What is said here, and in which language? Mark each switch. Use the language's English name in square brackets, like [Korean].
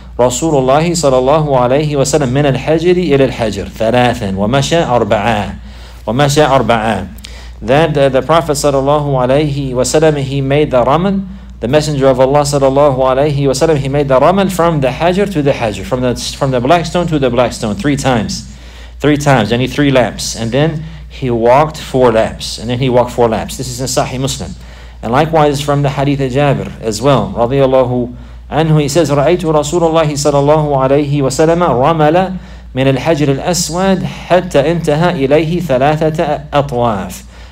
[Arabic] رسول الله صلى الله عليه وسلم من الحجر إلى الحجر ثلاثا ومشى أربعة ومشى أربعة. [English] That the Prophet صلى الله عليه وسلم, he made the ramal, the Messenger of Allah صلى الله عليه وسلم, he made the ramal from the hajr to the hajr, from the black stone to the black stone, three times, yani three laps, and then he walked four laps, This is in Sahih Muslim. And likewise from the hadith of Jabir as well, رضي الله عنه, he says, [Arabic] رأيت رسول الله صلى الله عليه وسلم رمل من الحجر الأسود حتى انتهى إليه ثلاثة أطواف.